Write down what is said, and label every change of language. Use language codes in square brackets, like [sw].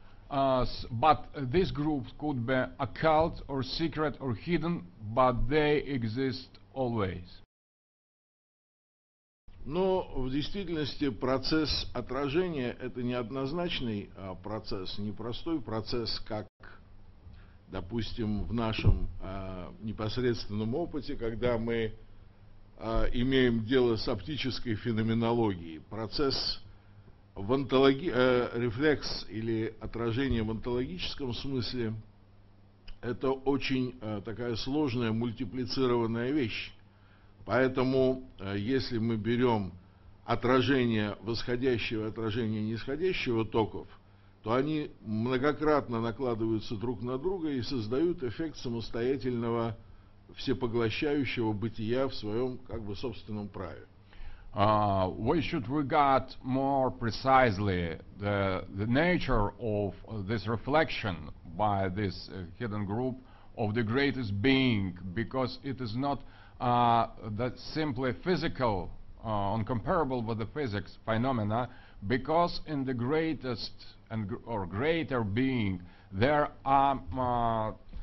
[en] But these groups could be occult or secret or hidden, but they exist always. [ru] Но в действительности процесс отражения – это неоднозначный процесс, непростой процесс, как, допустим, в нашем непосредственном опыте, когда мы имеем дело с оптической феноменологией. Процесс в рефлекс или отражение в онтологическом смысле – это очень такая сложная, мультиплицированная вещь. Поэтому, если мы берем отражение восходящего и отражение нисходящего токов, то они многократно накладываются друг на друга и создают эффект самостоятельного всепоглощающего бытия в своем, как бы, собственном праве. [en] Why should we regard more precisely the nature of this reflection by this hidden group of the greatest being, because it is not that simply physical, uncomparable with the physics phenomena, because in the greatest and or greater being there are